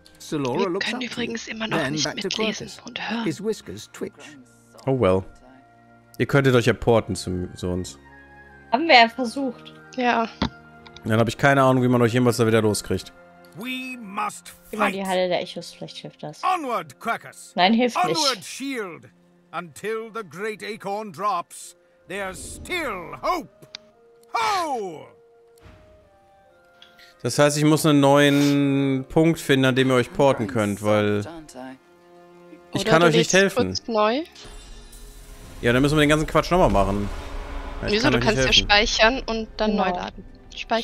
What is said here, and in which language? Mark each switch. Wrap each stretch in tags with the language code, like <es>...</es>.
<en>Solora looks up.</en> <de>Wir können übrigens immer noch nicht mitlesen und hören.</de> <en>His whiskers twitch. Oh well.</en> <de>Ihr könntet euch ja porten zu uns. Haben wir ja versucht. Ja. Dann habe ich keine Ahnung, wie man euch jemals da wieder loskriegt.</de> <en>We must fight.</en> <de>Immer die Halle der Echos, vielleicht hilft das.</de> <en>Onward, Quackers.</en> <de>Nein, hilft</de> <en>Onward,</en> <de>nicht.</de> <en>Onward, Shield. Until the great acorn drops, there's still hope.</en> <de>Das heißt, ich muss einen neuen Punkt finden, an dem ihr euch porten könnt, weil ich kann euch nicht helfen. Neu. Ja, dann müssen wir den ganzen Quatsch nochmal machen. Wieso? Du kannst ja speichern und dann neu laden. Speichern.</de>